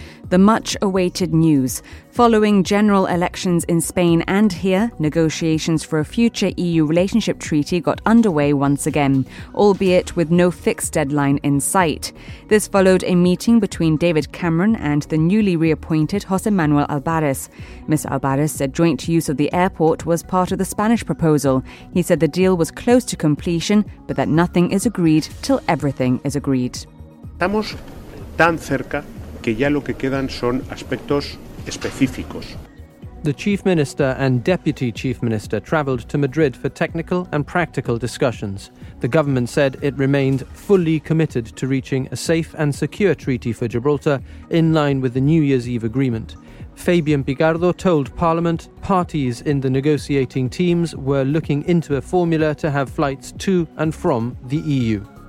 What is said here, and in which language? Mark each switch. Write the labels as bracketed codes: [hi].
[en] The much-awaited news. Following general elections in Spain and here, negotiations for a future EU relationship treaty got underway once again, albeit with no fixed deadline in sight. This followed a meeting between David Cameron and the newly reappointed José Manuel Álvarez. Ms. Álvarez said joint use of the airport was part of the Spanish proposal. He said the deal was close to completion, but that nothing is agreed till everything is agreed. [es] Estamos tan cerca que ya lo que quedan son aspectos específicos. [en] The Chief Minister and Deputy Chief Minister travelled to Madrid for technical and practical discussions. The government said it remained fully committed to reaching a safe and secure treaty for Gibraltar in line with the New Year's Eve agreement. Fabian Picardo told Parliament parties in the negotiating teams were looking into a formula to have flights to and from the EU.